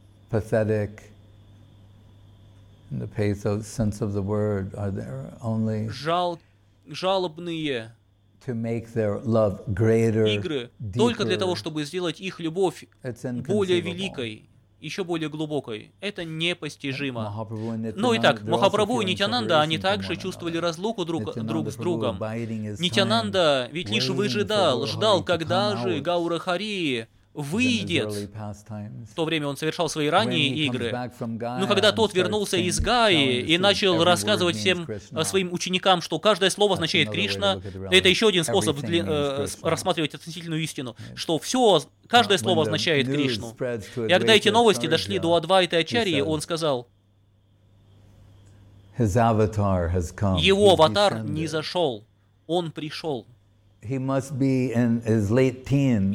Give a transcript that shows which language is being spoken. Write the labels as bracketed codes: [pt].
[en] pathetic in the pathos sense of the word are there only [ru] жалобные [en] to make their love greater, [ru] игры только для того, чтобы сделать их любовь более великой, еще более глубокой. Это непостижимо. Ну и так, Махапрабху и Нитянанда, они также чувствовали разлуку друг с другом. Нитянанда ведь лишь выжидал, ждал, когда же Гаура Хари выйдет. В то время он совершал свои ранние игры. Но когда тот вернулся из Гаи и начал рассказывать всем своим ученикам, что каждое слово означает Кришна, это еще один способ рассматривать относительную истину, что все, каждое слово означает Кришну. И когда эти новости дошли до Адвайты Ачарьи, он сказал, его аватар не зашел, он пришел. [en] He must be in his late teens.